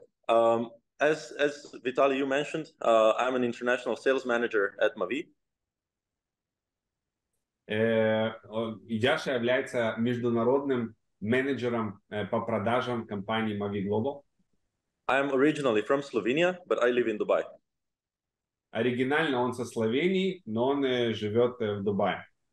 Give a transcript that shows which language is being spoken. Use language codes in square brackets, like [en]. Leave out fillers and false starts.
[en] So, as Vitaly, you mentioned, I'm an international sales manager at Mavie. [ru] Джаша является международным менеджером по продажам компании Mavie Global. [en] I'm originally from Slovenia, but I live in Dubai. [ru] Оригинально он со Словении, но он живет в Дубае.